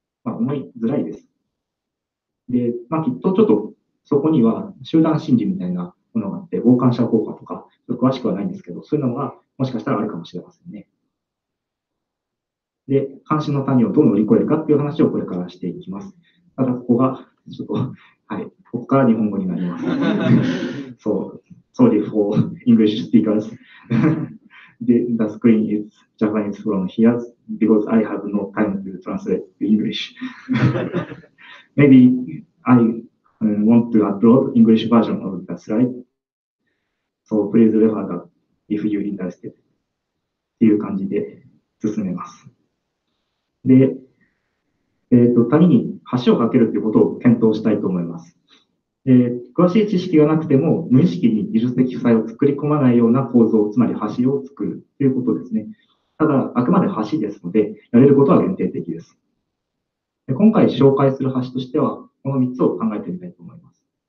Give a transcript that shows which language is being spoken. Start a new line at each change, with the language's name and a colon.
Japanese: まあ、思いづらいです。で、まあ、きっとちょっとそこには集団心理みたいなものがあって、傍観者効果とか、詳しくはないんですけど、そういうのがもしかしたらあるかもしれませんね。で、関心の谷をどう乗り越えるかっていう話をこれからしていきます。ただ、ここが、ちょっと、はい、ここから日本語になります。
English: そう、sorry for English speakers. The screen is Japanese from here because I have no time to translate to English. Maybe I want to upload English version of the slide. So please refer that if you're interested.
Japanese: っていう感じで進めます。で、谷に橋を架けるということを検討したいと思います。詳しい知識がなくても、無意識に技術的負債を作り込まないような構造、つまり橋を作るということですね。ただ、あくまで橋ですので、やれることは限定的です。で、今回紹介する橋としては、この3つを考えてみたいと思います。